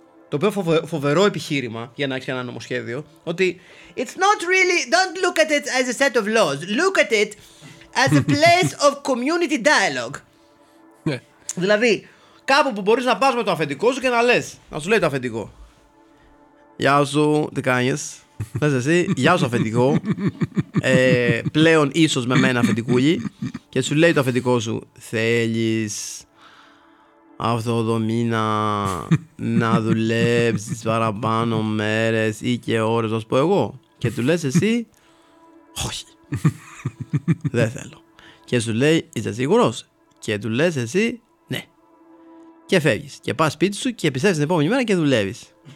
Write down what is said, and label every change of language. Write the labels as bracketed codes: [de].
[el] Το οποίο φοβερό επιχείρημα για να έχει ένα νομοσχέδιο. Ότι [en] it's not really, don't look at it as a set of laws, look at it as a place of community dialogue. [el] Δηλαδή κάπου που μπορείς να πας με το αφεντικό σου και να λες, να σου λέει το αφεντικό, γεια σου, τι κάνεις, λες εσύ, γεια σου αφεντικό, πλέον ίσως με μένα αφεντικούλη, και σου λέει το αφεντικό σου, θέλεις αυτό το μήνα να δουλέψεις παραπάνω μέρες ή και ώρες, θα σου πω εγώ, και του λες εσύ, όχι, δεν θέλω, και σου λέει, είσαι σίγουρος, και του λες εσύ, ναι, και φεύγεις και πας σπίτι σου και επιστρέφεις την επόμενη μέρα και δουλεύεις.